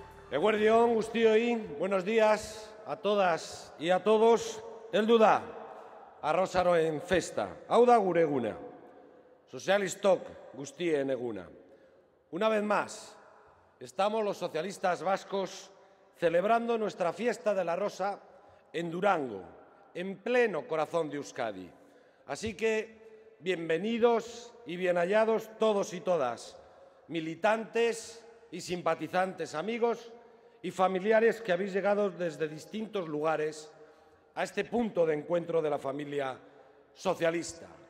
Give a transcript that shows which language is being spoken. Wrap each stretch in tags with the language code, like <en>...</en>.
<eu>Eguerdion, guztioi,</eu> <es>buenos días a todas y a todos.</es> <eu>Heldu da, arrozaroen festa, hau da gure eguna, sozialistok guztien eguna.</eu> <es>Una vez más, estamos los socialistas vascos celebrando nuestra fiesta de la rosa en Durango, en pleno corazón de Euskadi. Así que, bienvenidos y bien hallados todos y todas, militantes y simpatizantes, amigos y familiares que habéis llegado desde distintos lugares a este punto de encuentro de la familia socialista.</es>